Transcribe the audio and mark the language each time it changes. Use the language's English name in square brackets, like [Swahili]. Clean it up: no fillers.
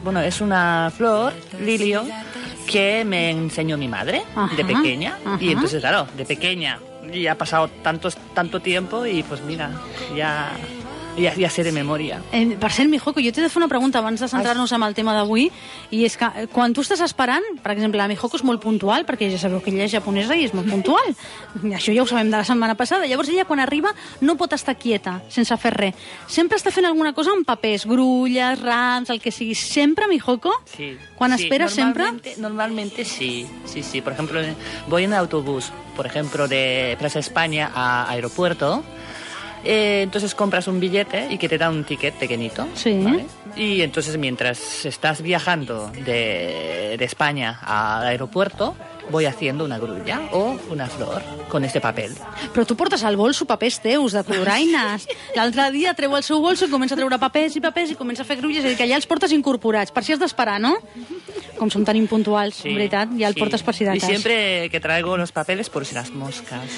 [Spanish] Bueno, es una flor, lilio, que me enseñó mi madre, de pequeña. Y entonces, claro, de pequeña. Y ha pasado tanto tiempo y pues mira, ya... [Catalan] Ja sé de memòria. Per cert, Mihoko, jo t'he de fer una pregunta abans de centrar-nos en el tema d'avui, i és que quan tu estàs esperant, per exemple, la Mihoko és molt puntual, perquè ja sabeu que ella és japonesa i és molt puntual. Això ja ho sabem de la setmana passada. Llavors ella, quan arriba, no pot estar quieta, sense fer res. Sempre està fent alguna cosa amb papers, grulles, rams, el que sigui. Sempre, Mihoko? Sí. Quan sí, espera, sempre? Normalment sí. Sí, sí. [Spanish] Por ejemplo, voy en autobús, por ejemplo, de Plaza España a aeropuerto, entonces compras un billete y que te da un ticket pequeñito. Sí. ¿Vale? Y entonces mientras estás viajando de España al aeropuerto, voy haciendo una grulla o una flor con este papel. [Catalan] Però tu portes al bolso papers teus de coloraines. L'altre dia treu el seu bolso i comença a treure papers i comença a fer grulles. És a dir, que allà els portes incorporats, per si has d'esperar, no? Com som tan impuntuals, sí, en veritat, ja el sí. Portes per si d'altres. I sempre [Spanish] que traigo los papeles por si las moscas.